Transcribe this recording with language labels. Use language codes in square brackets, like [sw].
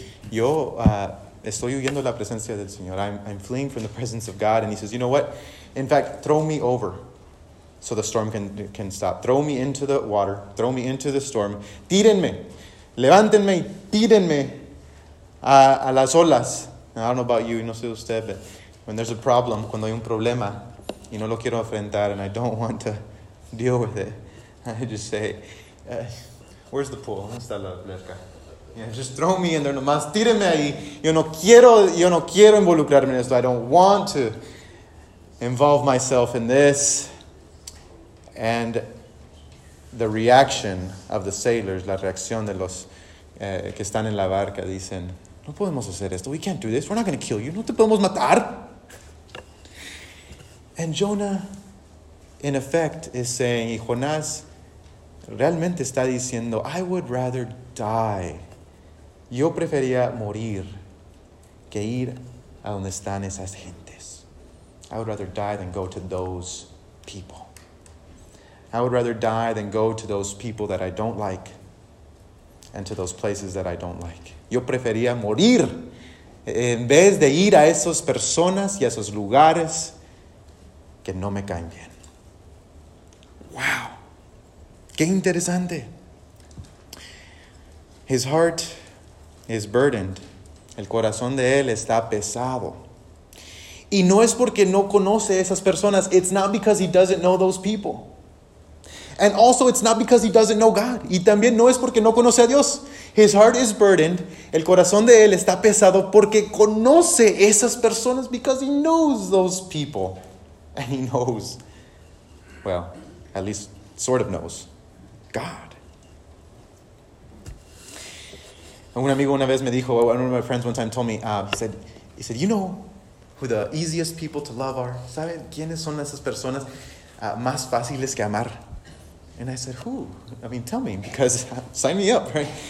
[es] Yo estoy huyendo de la presencia del Señor. [en] I'm fleeing from the presence of God. And he says, you know what? In fact, throw me over so the storm can stop. Throw me into the water. Throw me into the storm. [es] Tírenme. Levántenme y tírenme a las olas. [en] Now, I don't know about you. [es] No sé usted, [en] but when there's a problem, [es] cuando hay un problema, y no lo quiero enfrentar, [en] and I don't want to deal with it, I just say, where's the pool? [es] ¿Dónde está la alberca? [en] Yeah, just throw me in there [es] nomás. Tírenme ahí. Yo no quiero involucrarme en esto. [en] I don't want to involve myself in this. And the reaction of the sailors, [es] la reacción de los que están en la barca, dicen, no podemos hacer esto. [en] We can't do this. We're not going to kill you. [es] No te podemos matar. [en] And Jonah, in effect, is saying, [es] y Jonás realmente está diciendo, [en] I would rather die. [es] Yo prefería morir que ir a donde están esas gentes. [en] I would rather die than go to those people. I would rather die than go to those people that I don't like and to those places that I don't like. [es] Yo prefería morir en vez de ir a esas personas y a esos lugares que no me caen bien. Wow. Qué interesante. [en] His heart is burdened. [es] El corazón de él está pesado. Y no es porque no conoce esas personas. [en] It's not because he doesn't know those people. And also, it's not because he doesn't know God. [es] Y también no es porque no conoce a Dios. [en] His heart is burdened. [es] El corazón de él está pesado porque conoce esas personas. [en] Because he knows those people. And he knows, well, at least sort of knows, God. [es] Un amigo una vez me dijo, [en] one of my friends one time told me, he said, you know who the easiest people to love are? [es] ¿Saben quiénes son esas personas más fáciles que amar? [en] And I said, who? I mean, tell me, because sign me up, right?